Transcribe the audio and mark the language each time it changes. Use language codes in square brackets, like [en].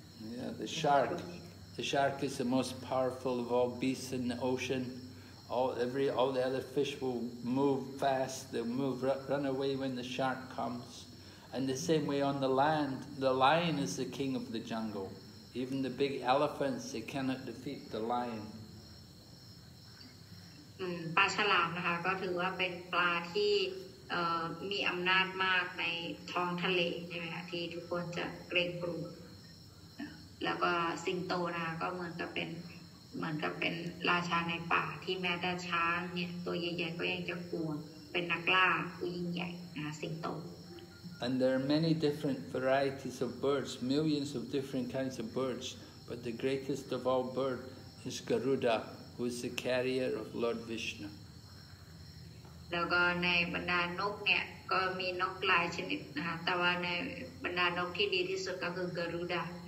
[en] Yeah, the shark is the most powerful of all beasts in the ocean. All the other fish will move fast. They'll move run away when the shark comes. And the same way on the land, the lion is the king of the jungle. Even the big elephants, they cannot defeat the lion. [th] ปลาฉลามนะคะก็ถือว่าเป็นปลาที่มีอำนาจมากในท้องทะเลใช่ไหมคะที่ทุกคนจะเกรงกลัวแล้วก็สิงโตนะก็เหมือนกับเป็นราชาในป่าที่แม้แต่ช้างเนี่ยตัวใหญ่ๆก็ยังจะกลัวเป็นนักล่าผู้ยิ่งใหญ่นะสิงโต [en] And there are many different varieties of birds millions of different kinds of birds but the greatest of all bird is Garuda who is the carrier of Lord Vishnu [th] แล้วก็ในบรรดานกเนี่ยก็มีนกหลายชนิดนะแต่ว่าในบรรดานกที่ดีที่สุดก็คือ Garuda